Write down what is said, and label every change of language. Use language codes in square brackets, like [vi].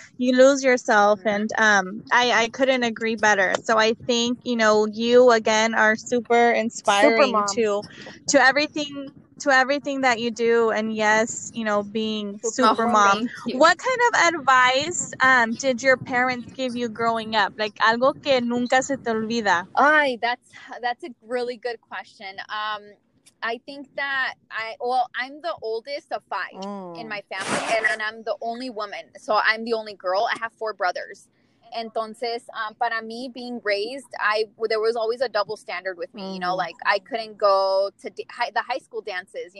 [en] You lose yourself. And I couldn't agree better. So I think, you know, you again are super inspiring to everything that you do. And yes, you know, being super mom. What kind of advice did your parents give you growing up? [es] Like, algo que nunca se te olvida. [en] Ay, that's a really good question. I think that I'm the oldest of five in my family, and then I'm the only woman. So I'm the only girl. I have four brothers. [es] Entonces, para mí [en] being raised, there was always a double standard with me, you know, like I couldn't go to the high school dances.